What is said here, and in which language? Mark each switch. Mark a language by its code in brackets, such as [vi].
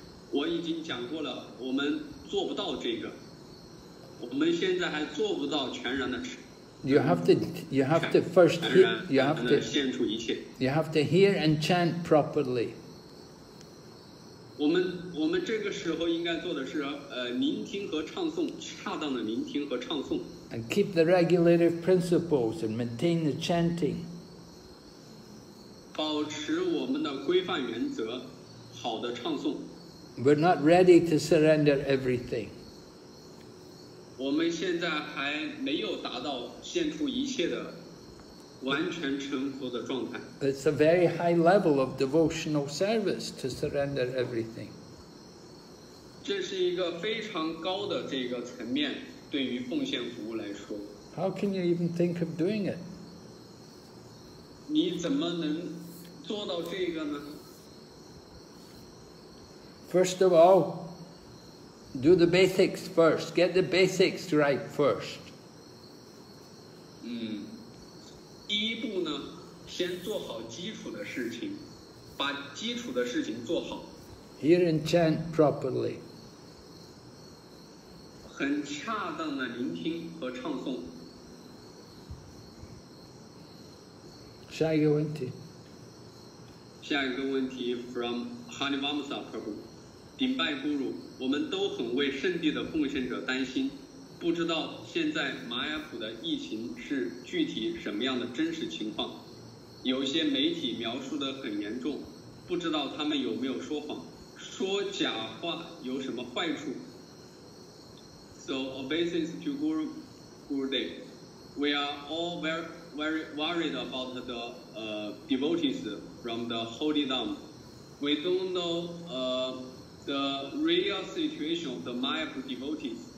[zh] 我已经讲过了，我们做不到这个。我们现在还做不到全然的臣服。 [en] You have to hear and chant properly. [zh] 我们这个时候应该做的是聆听和唱诵，恰当的聆听和唱诵。 [en] And keep the regulative principles and maintain the chanting. [zh] 保持我们的规范原则，好的唱诵。 [en] We're not ready to surrender everything. [zh] 我们现在还没有达到献出一切的完全臣服的状态。 [en] It's a very high level of devotional service to surrender everything. [zh] 这是一个非常高的这个层面，对于奉献服务来说。 [en] How can you even think of doing it? [zh] 你怎么能做到这个呢？ [en] First of all,do the basics first. Get the basics right first. [zh] 第一步呢，先做好基础的事情，把基础的事情做好。 [en] Hear and chant properly. [zh] 很恰当的聆听和唱诵。下一个问题。下一个问题 [en] from Hanivamsa Prabhu. [zh] 顶拜孤乳，我们都很为圣地的奉献者担心，不知道现在玛雅普的疫情是具体什么样的真实情况，有些媒体描述得很严重，不知道他们有没有说谎，说假话有什么坏处。 [en] So obeisance to Guru Gurudev, we are all very worried about the devotees from the Holy Dhamma. We don't know the real situation of the Maya devotees.